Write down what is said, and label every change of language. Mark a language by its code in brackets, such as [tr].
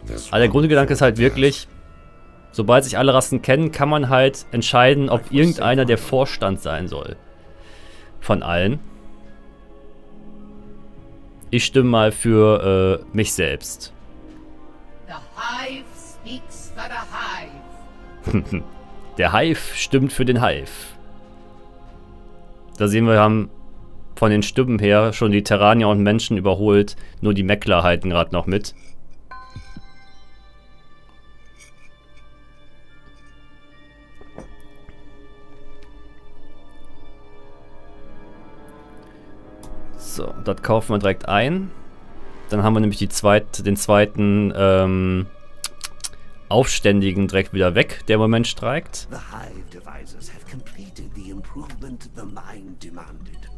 [de] Aber der Grundgedanke ist halt wirklich, sobald sich alle Rassen kennen, kann man halt entscheiden, ob irgendeiner der Vorstand sein soll. Von allen. Ich stimme mal für mich selbst. [en] The Hive speaks for the Hive. [de] Der Hive stimmt für den Hive. Da sehen wir, wir haben von den Stimmen her schon die Terranier und Menschen überholt. Nur die Meckler halten gerade noch mit. So, das kaufen wir direkt ein. Dann haben wir nämlich den zweiten Aufständigen direkt wieder weg, der im Moment streikt. [en] The Hive Devisors have completed the improvement the mine demanded.